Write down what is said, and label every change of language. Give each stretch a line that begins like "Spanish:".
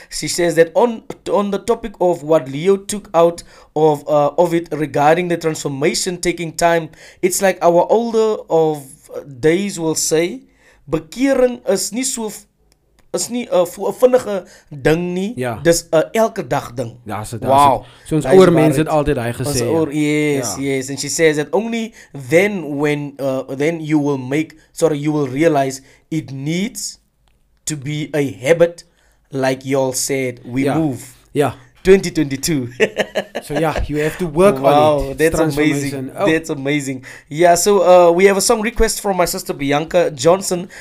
English: She says that on the topic of what Leo took out of it regarding the transformation taking time, it's like our older of days will say,
Afrikaans: bekering is nie 'n vinnige ding nie. Ja. Dis 'n elke dag ding.
English: Wow.
Afrikaans: So ons ouer mense het altyd daai gesê.
English: Yes. And she says that only then you will realize it needs to be a habit, like y'all said, move. Yeah. 2022. So yeah, you have to work on it. Wow, that's amazing. Oh. That's amazing. Yeah, so we have a song request from my sister Bianca Johnson.